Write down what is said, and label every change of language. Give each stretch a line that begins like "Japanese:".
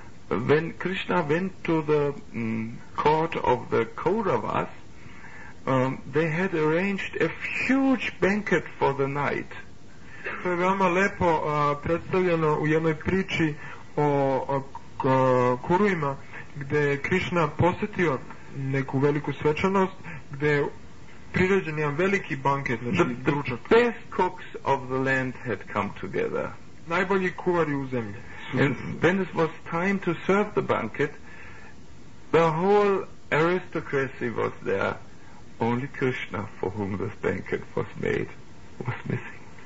English: When Krishna went to the court of the Kauravas, they had arranged a huge banquet for the night.
Serbian: To je veoma lepo predstavljeno u jednoj priči o Kurujima, gde je Krishna posetio neku veliku svečanost, gde je priređen jedan veliki banket, znači ručak.
English: The best cooks of the land had come together.
Serbian: Najbolji kuvari u zemlji.
English: And when it was time to serve the banquet, the whole aristocracy was there. Only Krishna, for whom this banquet was made, was missing.